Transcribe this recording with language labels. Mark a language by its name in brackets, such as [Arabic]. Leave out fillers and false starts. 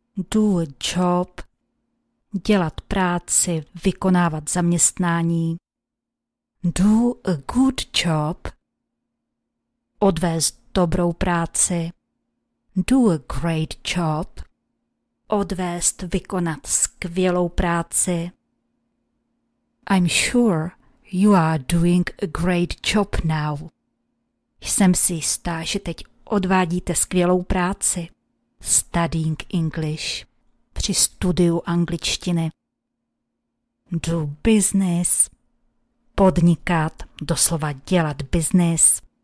[English] Do a job, [Czech] dělat práci, vykonávat zaměstnání. [English] Do a good job, [Czech] odvést dobrou práci. [English] Do a great job, [Czech] odvést, vykonat skvělou práci. [English] I'm sure you are doing a great job now. [Czech] Jsem si jistá, že teď odvádíte skvělou práci. [English] Studying English. [Czech] Při studiu angličtiny. [English] Do business. [Czech] Podnikat, doslova dělat business.